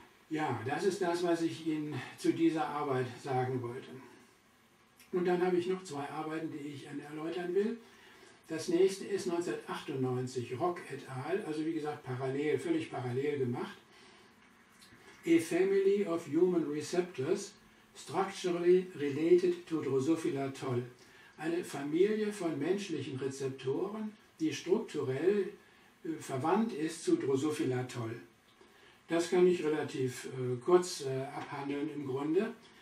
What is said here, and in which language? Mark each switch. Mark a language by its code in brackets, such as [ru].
[de] Ja, das ist das, was ich Ihnen zu dieser Arbeit sagen wollte. Und dann habe ich noch zwei Arbeiten, die ich Ihnen erläutern will. Das nächste ist 1998, Rock et al., also wie gesagt, parallel, völlig parallel gemacht. [en] A Family of Human Receptors, Structurally Related to Drosophila toll. [de] Eine Familie von menschlichen Rezeptoren, die strukturell verwandt ist zu Drosophila toll. Das kann ich relativ kurz abhandeln im Grunde.